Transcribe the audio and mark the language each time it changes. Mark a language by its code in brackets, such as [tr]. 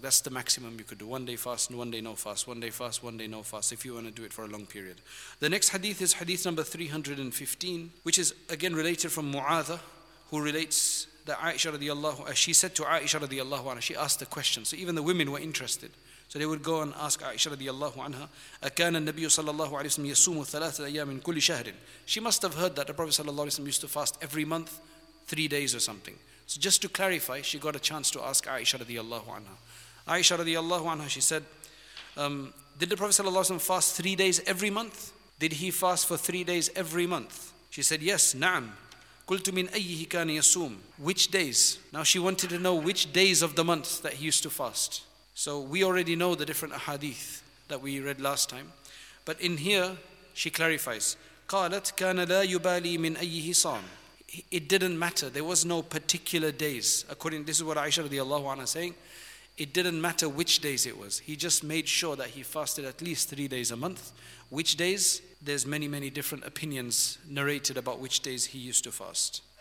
[en] That's the maximum you could do. One day fast and one day no fast. One day fast, one day no fast, if you want to do it for a long period. The next hadith is hadith number 315, which is again related from Mu'adha, who relates that Aisha radiallahu anha, she said to Aisha radiallahu anha, she asked a question. So even the women were interested. So they would go and ask Aisha radiallahu anha, [ar] أَكَانَ النَّبِيُّ صَلَّى اللَّهُ عَلَيْهِ وَسَلَّمَ يَسُومُ ثَلَاثَ أَيَّامٍ مِنْ كُلِّ شَهْرٍ. [en] She must have heard that the Prophet sallallahu alayhi wa sallam used to fast every month, 3 days or something. So just to clarify, she got a chance to ask Aisha radiallahu anha. Aisha radiallahu anha, she said, did the Prophet sallallahu alayhi wa sallam fast 3 days every month? Did he fast for 3 days every month? She said, yes, na'am. [ar] قُلْتُ مِنْ أَيِّهِ كَانِ يَسُومُ. [en] Which days? Now she wanted to know which days of the month that he used to fast. So we already know the different ahadith that we read last time. But in here, she clarifies, [ar] قَالَتْ كَانَ لَا يُبَالِي مِنْ أَيِّهِ صَامُ. [en] It didn't matter. There was no particular days. According, this is what Aisha radiallahu anha is saying. It didn't matter which days it was. He just made sure that he fasted at least 3 days a month. Which days? There's many, many different opinions narrated about which days he used to fast.